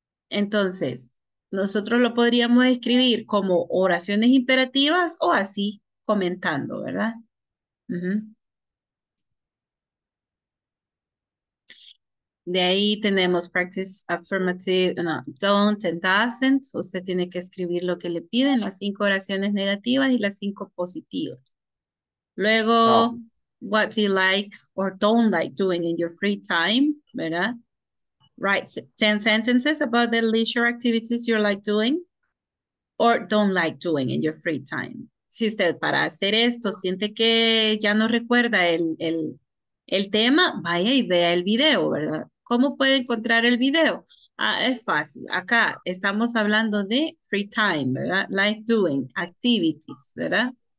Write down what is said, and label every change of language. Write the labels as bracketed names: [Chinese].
[Spanish] Entonces, nosotros lo podríamos escribir como oraciones imperativas o así comentando, ¿verdad? Uh-huh. De ahí tenemos [English] practice affirmative, no, don't and doesn't. [Spanish] Usted tiene que escribir lo que le piden, las 5 oraciones negativas y las 5 positivas. Luego, no. [English] What do you like or don't like doing in your free time, [Spanish] ¿verdad? [English] Write 10 sentences about the leisure activities you like doing or don't like doing in your free time. [Spanish] Si usted para hacer esto siente que ya no recuerda el tema, vaya y vea el video, ¿verdad? ¿Cómo puede encontrar el video? Ah, es fácil. Acá estamos hablando de free time, ¿verdad? [English] Like doing activities, [Spanish] ¿verdad?